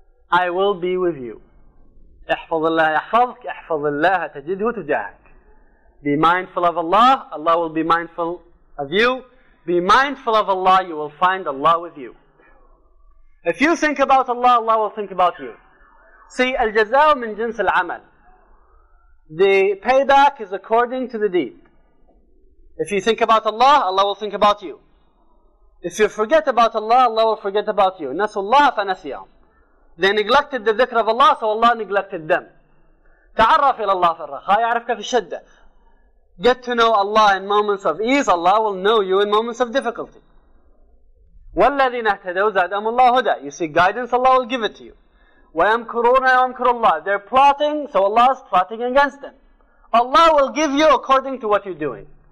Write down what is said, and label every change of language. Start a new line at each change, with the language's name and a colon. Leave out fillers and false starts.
English: I will be with you.
Arabic: احفظ الله يحفظك احفظ الله تجده تجاهك.
English: Be mindful of Allah, Allah will be mindful of you. Be mindful of Allah, you will find Allah with you. If you think about Allah, Allah will think about you.
Arabic: See, الجزاء من جنس العمل.
English: The payback is according to the deed. If you think about Allah, Allah will think about you. If you forget about Allah, Allah will forget about you.
Arabic: نسوا الله فنسيهم.
English: They neglected the dhikr of Allah, so Allah neglected them.
Arabic: تعرف إلى الله في الرخاء يعرفك في الشدة.
English: Get to know Allah in moments of ease, Allah will know you in moments of difficulty.
Arabic: وَالَّذِينَ اهْتَدَوْا زَادَهُمُ اللَّهُ هُدًى.
English: You seek guidance, Allah will give it to you.
Arabic: وَيَمْكُرُونَ وَيَمْكُرُ اللَّهُ.
English: They're plotting, so Allah is plotting against them. Allah will give you according to what you're doing.